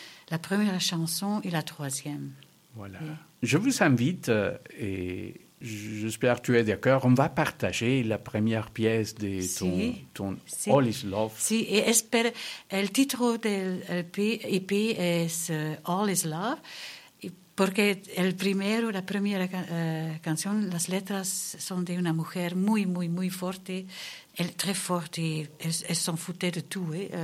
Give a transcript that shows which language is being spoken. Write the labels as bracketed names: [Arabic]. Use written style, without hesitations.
[French] La première chanson et la troisième. Voilà. Et... Je vous invite, et j'espère que tu es d'accord, on va partager la première pièce de ton [Spanish] si. [English] All Is Love. [French] Si, et j'espère, le titre de l'EP est All Is Love. [Spanish] Porque el primero, la primera canción, las letras son de una mujer muy, muy, muy fuerte. Très fuerte. [French] Elle s'en foutait de tout.